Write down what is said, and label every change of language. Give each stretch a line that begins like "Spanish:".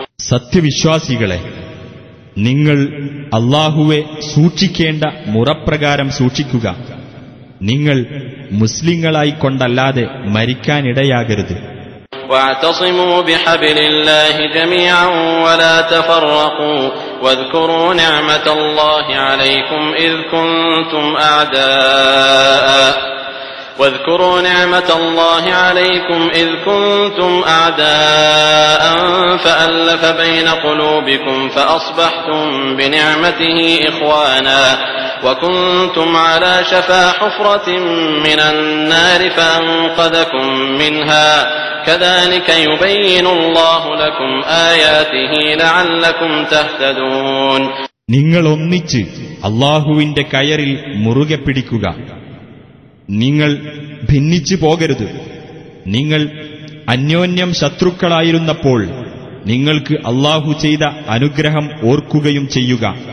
Malayalam: സത്യവിശ്വാസികളെ, നിങ്ങൾ അല്ലാഹുവെ സൂക്ഷിക്കേണ്ട മുറപ്രകാരം സൂക്ഷിക്കുക. നിങ്ങൾ മുസ്ലിങ്ങളായിക്കൊണ്ടല്ലാതെ മരിക്കാനിടയാകരുത്.
Arabic: واعتصموا بحبل الله جميعا ولا تفرقوا واذكروا نعمة الله عليكم إذ كنتم أعداء واذكروا نعمة الله عليكم إذ كنتم أعداء فألف بين قلوبكم فأصبحتم بنعمته إخوانا وكنتم على شفا حفرة من النار فأنقذكم منها كذلك يبين الله لكم آياته لعلكم تهتدون.
Malayalam: നിങ്ങൾ ഒന്നിച്ച് അല്ലാഹുവിന്റെ കയറിൽ മുറുകെ പിടിക്കുക. നിങ്ങൾ ഭിന്നിച്ചു പോകരുത്. നിങ്ങൾ അന്യോന്യം ശത്രുക്കളായിരുന്നപ്പോൾ നിങ്ങൾക്ക് അല്ലാഹു ചെയ്ത അനുഗ്രഹം ഓർക്കുകയും ചെയ്യുക.